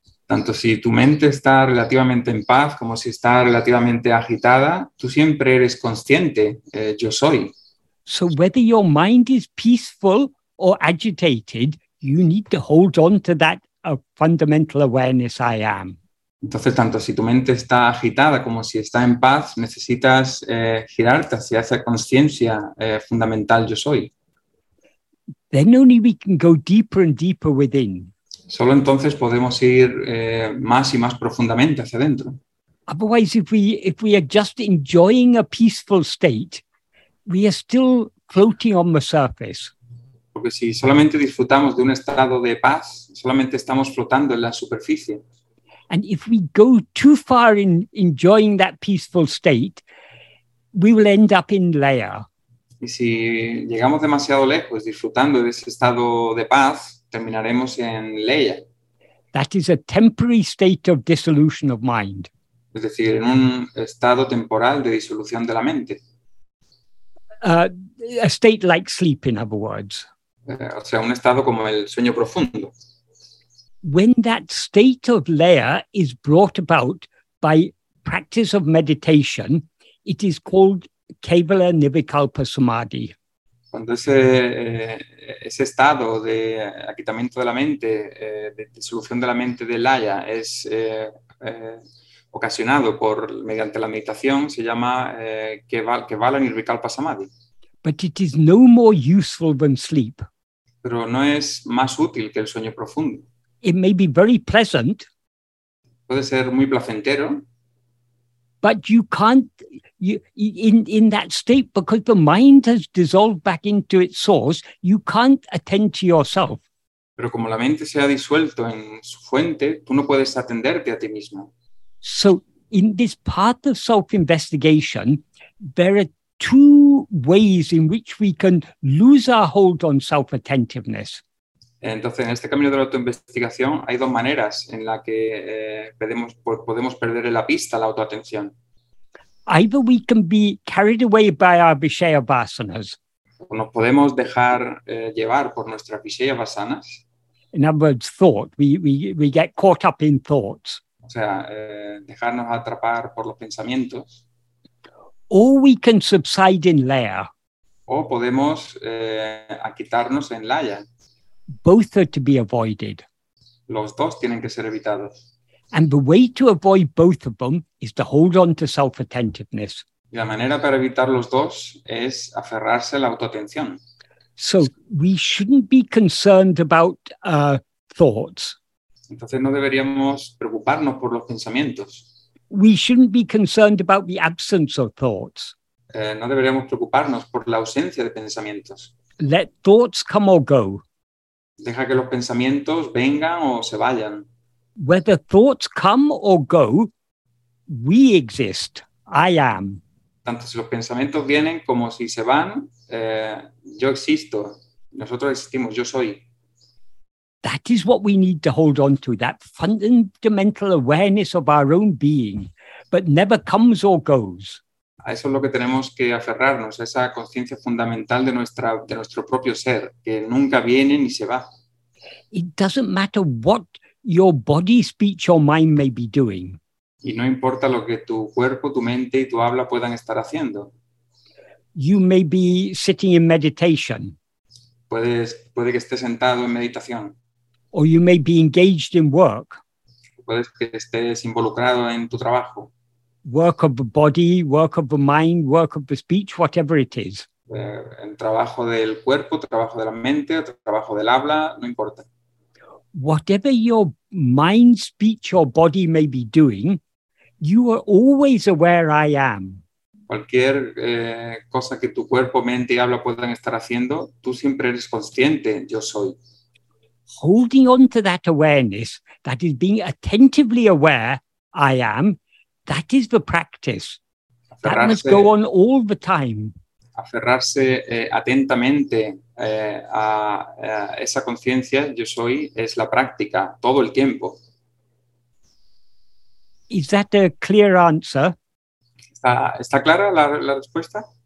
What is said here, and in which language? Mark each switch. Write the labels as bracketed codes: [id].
[es] Tanto si tu mente está relativamente en paz como si está relativamente agitada, tú siempre eres consciente, yo soy. [en] So whether your mind is peaceful or agitated, you need to hold on to that fundamental awareness I am. [es] Entonces, tanto si tu mente está agitada como si está en paz, necesitas girarte hacia esa conciencia fundamental yo soy. [en] Then only we can go deeper and deeper within. [es] Solo entonces podemos ir más y más profundamente hacia adentro. [en] Otherwise, if we are just enjoying a peaceful state, we are still floating on the surface. [es] Porque si solamente disfrutamos de un estado de paz, solamente estamos flotando en la superficie. [en] And if we go too far in enjoying that peaceful state, we will end up in Laya. [es] Y si llegamos demasiado lejos disfrutando de ese estado de paz, terminaremos en Laya. [en] That is a temporary state of dissolution of mind. [es] Es decir, en un estado temporal de disolución de la mente. [en] A state like sleep, in other words. [es] O sea, un estado como el sueño profundo. [en] When that state of Laya is brought about by practice of meditation, it is called Kevala Nivikalpa Samadhi. [es] Cuando ese estado de aquietamiento de la mente, de disolución de la mente de Laya, es ocasionado por mediante la meditación, se llama Kevala Nivikalpa Samadhi. [en] But it is no more useful than sleep. [es] Pero no es más útil que el sueño profundo. [en] It may be very pleasant. [es] Puede ser muy placentero. [en] But you can't, in that state, because the mind has dissolved back into its source, you can't attend to yourself. [es] Pero como la mente se ha disuelto en su fuente, tú no puedes atenderte a ti mismo. [en] So, in this path of self-investigation, there are two ways in which we can lose our hold on self-attentiveness. [es] Entonces, en este camino de la autoinvestigación hay dos maneras en la que podemos perder la pista, la autoatención. [en] Either we can be carried away by our Vishaya Vasanas. [es] O nos podemos dejar llevar por nuestras Vishaya Vasanas. [en] In other words, thought. We get caught up in thoughts. [es] O sea, dejarnos atrapar por los pensamientos. [en] Or we can subside in Laya. [es] O podemos aquietarnos en Laya. [en] Both are to be avoided. [es] Los dos tienen que ser evitados. [en] And the way to avoid both of them is to hold on to self-attentiveness. [es] Y la manera para evitar los dos es aferrarse a la autoatención. [en] So we shouldn't be concerned about thoughts. [es] Entonces no deberíamos preocuparnos por los pensamientos. [en] We shouldn't be concerned about the absence of thoughts. [es] No deberíamos preocuparnos por la ausencia de pensamientos. [en] Let thoughts come or go. [es] Deja que los pensamientos vengan o se vayan. [en] Whether thoughts come or go, we exist. I am. [es] Tanto si los pensamientos vienen como si se van, yo existo. Nosotros existimos, yo soy. [en] That is what we need to hold on to, that fundamental awareness of our own being, but never comes or goes. [es] A eso es lo que tenemos que aferrarnos, a esa conciencia fundamental de nuestro propio ser, que nunca viene ni se va. [en] It doesn't matter what your body, speech or mind may be doing. [es] Y no importa lo que tu cuerpo, tu mente y tu habla puedan estar haciendo. [en] You may be sitting in meditation. [es] Puede que estés sentado en meditación. [en] Or you may be engaged in work. [es] Puede que estés involucrado en tu trabajo. [en] Work of the body, work of the mind, work of the speech, whatever it is. [es] El trabajo del cuerpo, trabajo de la mente, trabajo del habla, no importa. [en] Whatever your mind, speech or body may be doing, you are always aware I am. [es] Cualquier cosa que tu cuerpo, mente y habla puedan estar haciendo, tú siempre eres consciente, yo soy. [en] Holding on to that awareness, that is being attentively aware, I am, that is the practice. [es] Aferrarse, [en] that must go on all the time. [es] Aferrarse atentamente a esa conciencia, yo soy, es la práctica, todo el tiempo. [en] Is that a clear answer? [es] ¿Está clara la respuesta?